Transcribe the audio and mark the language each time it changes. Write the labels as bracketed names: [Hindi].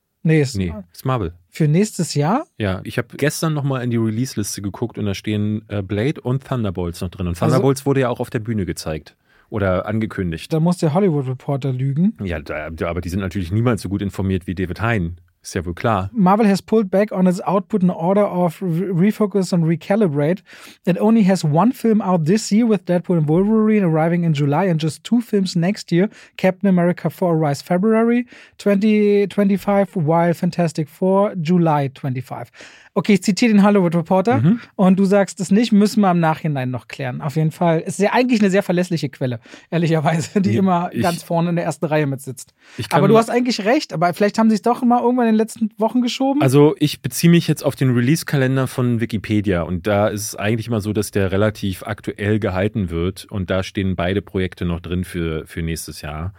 [German] Nee, ist Marvel. Für nächstes Jahr? Ja, ich habe gestern nochmal in die Release-Liste geguckt und da stehen Blade und Thunderbolts noch drin. Und Thunderbolts wurde ja auch auf der Bühne gezeigt. oder angekündigt. Da muss der Hollywood Reporter lügen. Ja, aber die sind natürlich niemals so gut informiert wie David Hein. Ist ja wohl klar. [English] Marvel has pulled back on its output in order of refocus and recalibrate. It only has one film out this year with Deadpool and Wolverine arriving in July and just two films next year. Captain America 4 arrives February 2025, while Fantastic Four July 25. [German] Okay, ich zitiere den Hollywood Reporter. Mhm. Und du sagst es nicht, müssen wir im Nachhinein noch klären. Auf jeden Fall. Es ist ja eigentlich eine sehr verlässliche Quelle, ehrlicherweise, die immer ganz vorne in der ersten Reihe mit sitzt. Aber du hast eigentlich recht, aber vielleicht haben sie es doch mal irgendwann in den letzten Wochen geschoben? Also ich beziehe mich jetzt auf den Release-Kalender von Wikipedia und da ist es eigentlich immer so, dass der relativ aktuell gehalten wird und da stehen beide Projekte noch drin für nächstes Jahr.